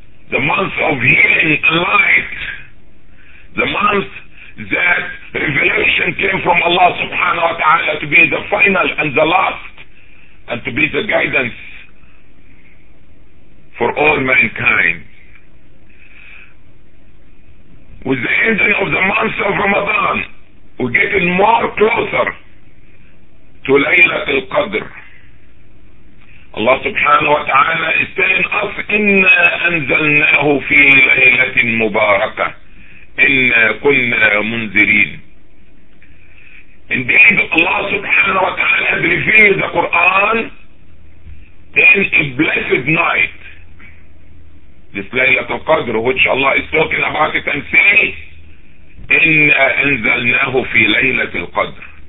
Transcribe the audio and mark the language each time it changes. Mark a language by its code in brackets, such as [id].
[en] the month of healing and light, the month that revelation came from Allah subhanahu wa ta'ala to be the final and the last and to be the guidance for all mankind. With the ending of the month of Ramadan, we're getting more closer to Laylat al-Qadr. Allah subhanahu wa ta'ala is telling us, [ar] إِنَّا أَنزَلْنَاهُ فِي لَيْلَةٍ مُبَارَكَةٍ إِنَّا كُنَّا مُنذِرِينَ. [en] Indeed, Allah subhanahu wa ta'ala has revealed the Quran in a blessed night. This Laylat al-Qadr, which Allah is talking about it and saying, [ar] إِنَّا أَنزَلْنَاهُ فِي لَيْلَةِ الْقَدْرِ.